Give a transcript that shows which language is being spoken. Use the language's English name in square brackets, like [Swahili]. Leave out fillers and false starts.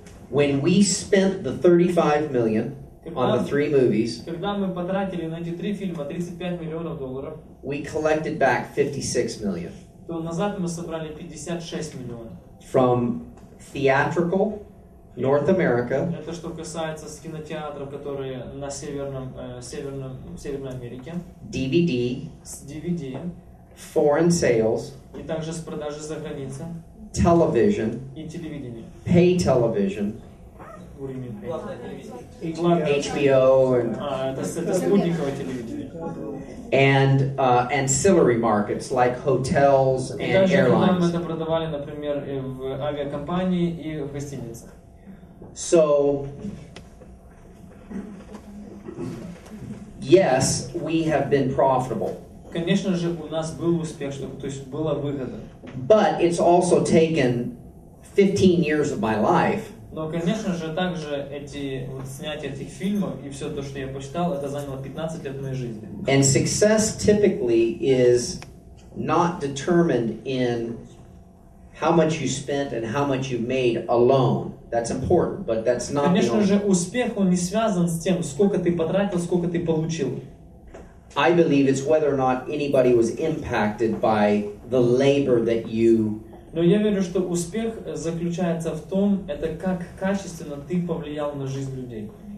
[English] When we spent the $35 million on the 3 movies, [Russian] когда мы потратили на эти 3 фильма $35 миллионов, [English] we collected back $56 million. [Russian] То назад мы собрали 56 миллионов. [English] From theatrical North America. [Russian] Это что касается кинотеатров, которые на северной Америке. [English] DVD. [Russian] С DVD. [English] Foreign sales. [Russian] И также с продажи за границей. [English] Television. [Russian] И телевидение. [English] Pay television. What do you mean? HBO and and ancillary markets like hotels and airlines. [Russian] Это продавали, например, в авиакомпании и в гостиницах. [English] So yes, we have been profitable. [Russian] Конечно же, у нас был успех, то есть была выгода. [English] But it's also taken 15 years of my life. [Russian] Но, конечно же, также эти вот снятия этих фильмов и все то, что я почитал, это заняло 15 лет моей жизни. [English] And success typically is not determined in how much you spent and how much you made alone. That's important, but that's not. [Russian] Конечно же, успех он не связан с тем, сколько ты потратил, сколько ты получил. [English] I believe it's whether or not anybody was impacted by the labor that you. [Russian] Но я верю, что успех заключается в том, это как качественно ты повлиял на жизнь людей.